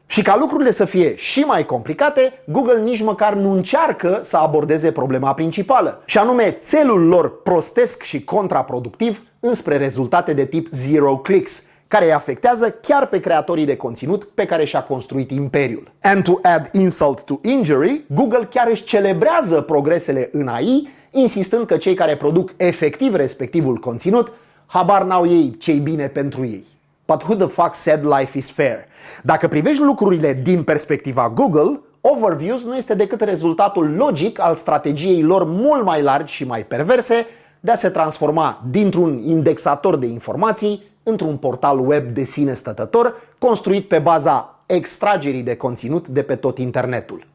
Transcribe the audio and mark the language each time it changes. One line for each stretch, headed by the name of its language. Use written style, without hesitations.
Romanian: Și ca lucrurile să fie și mai complicate, Google nici măcar nu încearcă să abordeze problema principală, și anume țelul lor prostesc și contraproductiv înspre rezultate de tip zero clicks, care îi afectează chiar pe creatorii de conținut pe care și-a construit imperiul.
English: And to add insult to injury,
Romanian: Google chiar își celebrează progresele în AI, insistând că cei care produc efectiv respectivul conținut, habar n-au ei ce-i bine pentru ei.
English: But who the fuck said life is fair?
Romanian: Dacă privești lucrurile din perspectiva Google, Overviews nu este decât rezultatul logic al strategiei lor mult mai largi și mai perverse de a se transforma dintr-un indexator de informații într-un portal web de sine stătător construit pe baza extragerii de conținut de pe tot internetul.